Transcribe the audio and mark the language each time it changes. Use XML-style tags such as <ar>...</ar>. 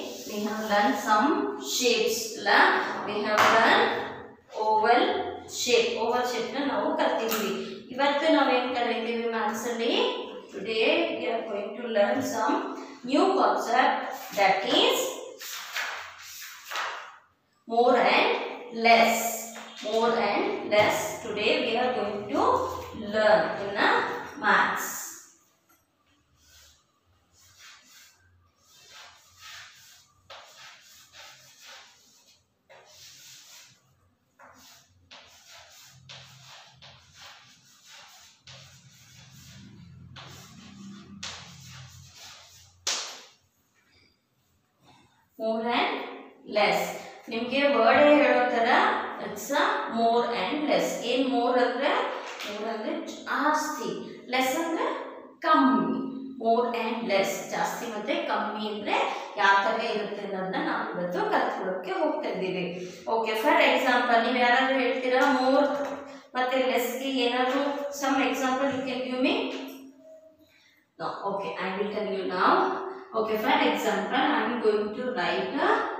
<en>we have learn some shapes,</en> <kn>ಅಲ್ಲ?</kn> <en>We have learn oval shape.</en> <kn>Oval shape ನ ನಾವು ಕಲ್ತಿದ್ವಿ. ಇವತ್ತು ನಾವೇನ್ ಕಲಿತೀವಿ ಮ್ಯಾಥ್ಸ್ ಅಲ್ಲಿ?</kn> <en>Today we are going to learn some new concept, that is more and less. more and less. Today we are going to learn in a maths. More and less.</en> <kn>ನಿಮಗೆ word ಏ ಹೇಳೋ ತರ</kn> <en>It's a more and less.</en> <kn>ಏನ್ more ಅಂದ್ರೆ ಜಾಸ್ತಿ, less ಅಂದ್ರೆ ಕಮ್ಮಿ. More and less ಜಾಸ್ತಿ ಮತ್ತೆ ಕಮ್ಮಿ ಅಂದ್ರೆ ಯಾವ ತರ ಇರುತ್ತೆ ಅನ್ನೋದನ್ನ ನಾವು ಇವತ್ತು ಕಲ್ತ್ಕೊಳ್ಳೋಕೆ ಹೋಗ್ತಾ ಇದ್ದೀವಿ. ಓಕೆ, ಫಾರ್ ಎಕ್ಸಾಂಪಲ್ ನೀವು ಯಾರಾದ್ರೂ ಹೇಳ್ತೀರಾ ಮೋರ್ ಮತ್ತೆ ಲೆಸ್ ಗೆ ಏನಾದ್ರು</kn> <en>Some example you can give me. Okay, I will tell you now. Okay, for example I am going to write a</en>